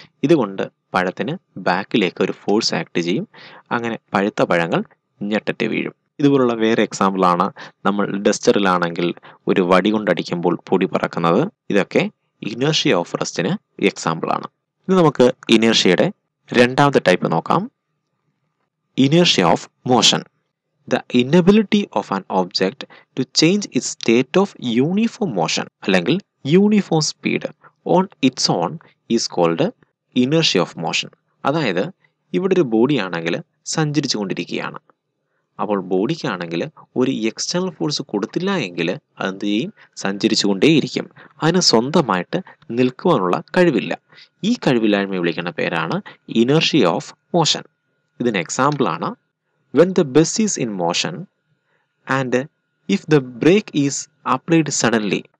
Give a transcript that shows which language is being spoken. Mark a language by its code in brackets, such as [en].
[ml] ഇതുകൊണ്ട് പഴത്തിന് ബാക്കിലേക്ക് ഒരു ഫോഴ്സ് ആക്ട് ചെയ്യും, അങ്ങനെ പഴുത്ത പഴങ്ങൾ ഞെട്ടറ്റ് വീഴും. ഇതുപോലുള്ള വേറെ എക്സാമ്പിളാണ് നമ്മൾ ഡസ്റ്ററിലാണെങ്കിൽ ഒരു വടി കൊണ്ടടിക്കുമ്പോൾ പൊടി പറക്കുന്നത്. ഇതൊക്കെ ഇനേർഷ്യ ഓഫ് റെസ്റ്റിന് എക്സാമ്പിളാണ്. ഇനി നമുക്ക് ഇനേർഷ്യയുടെ രണ്ടാമത്തെ ടൈപ്പ് നോക്കാം, inertia of motion. [en] The inability of an object to change its state of uniform motion, [ml] അല്ലെങ്കിൽ [en] uniform speed on its own is called inertia of motion. [ml] അതായത് ഇവിടെ ഒരു ബോഡിയാണെങ്കിൽ സഞ്ചരിച്ചു കൊണ്ടിരിക്കുകയാണ്, അപ്പോൾ ബോഡിക്കാണെങ്കിൽ ഒരു എക്സ്റ്റേണൽ ഫോഴ്സ് കൊടുത്തില്ല എങ്കിൽ അതെന്ത് ചെയ്യും, സഞ്ചരിച്ചു കൊണ്ടേയിരിക്കും, അതിന് സ്വന്തമായിട്ട് നിൽക്കുവാനുള്ള കഴിവില്ല. ഈ കഴിവില്ലായ്മ വിളിക്കുന്ന പേരാണ് ഇനേർഷ്യ ഓഫ് മോഷൻ. ഇതിന് എക്സാമ്പിളാണ് [en] When the bus is in motion and if the brake is applied suddenly.